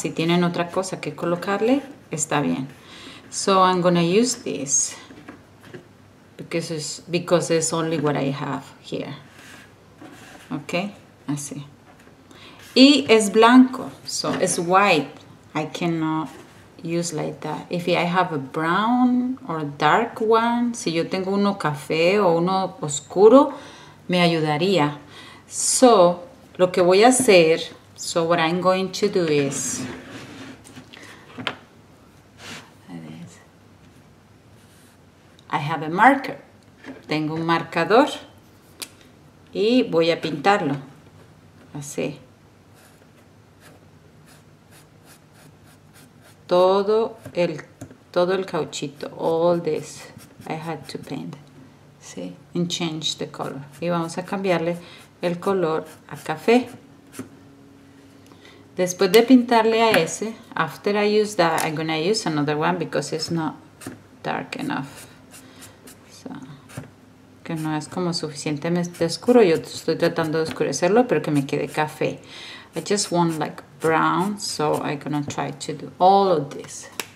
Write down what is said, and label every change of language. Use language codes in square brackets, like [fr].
[es] Si tienen otra cosa que colocarle, está bien. [en] So I'm gonna use this because it's only what I have here. [es] Okay, así. Y es blanco, [en] so it's white. I cannot use like that. If I have a brown or dark one, [es] si yo tengo uno café o uno oscuro, me ayudaría. So lo que voy a hacer, [en] So what I'm going to do is, I have a marker. [es] Tengo un marcador y voy a pintarlo así. Todo el cauchito, [en] all this, I had to paint, see, and change the color. [es] Y vamos a cambiarle el color a café. Después de pintarle a ese, [en] after I use that, I'm gonna use another one because it's not dark enough. [es] So, que no es como suficientemente oscuro, yo estoy tratando de oscurecerlo, pero que me quede café. [en] I just want like brown, so I'm gonna try to do all of this.